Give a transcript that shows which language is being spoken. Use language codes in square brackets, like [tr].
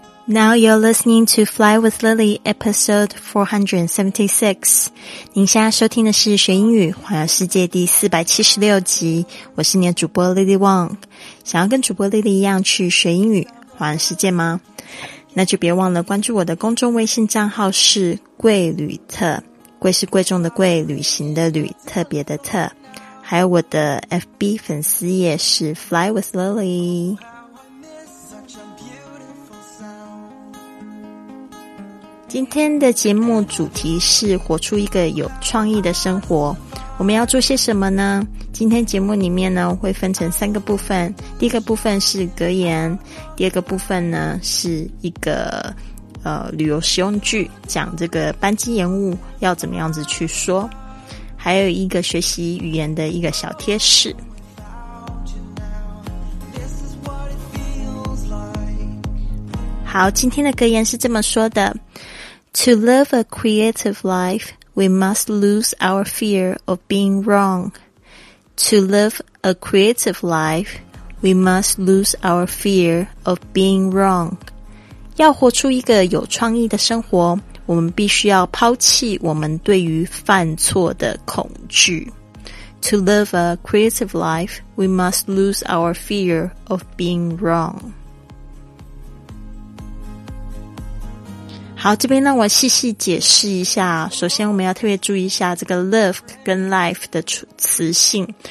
[en] Now you're listening to Fly with Lily, episode 476. [zh] 您现在收听的是学英语环游世界第476集。我是你的主播 Lily Wong。想要跟主播 Lily 一样去学英语环游世界吗？那就别忘了关注我的公众微信账号是贵旅特。贵是贵重的贵，旅行的旅，特别的特。还有我的 FB 粉丝页是 Fly with Lily。今天的节目主题是活出一个有创意的生活，我们要做些什么呢？今天节目里面呢会分成三个部分，第一个部分是格言，第二个部分呢是一个旅游实用句，讲这个班机延误要怎么样子去说，还有一个学习语言的一个小贴士。好，今天的格言是这么说的。 [en] To live a creative life, we must lose our fear of being wrong. To live a creative life, we must lose our fear of being wrong. [zh] 要活出一个有创意的生活，我们必须要抛弃我们对于犯错的恐惧。 [en] To live a creative life, we must lose our fear of being wrong. [zh] 好，这边让我细细解释一下。首先我们要特别注意一下这个 live 跟 life 的词性。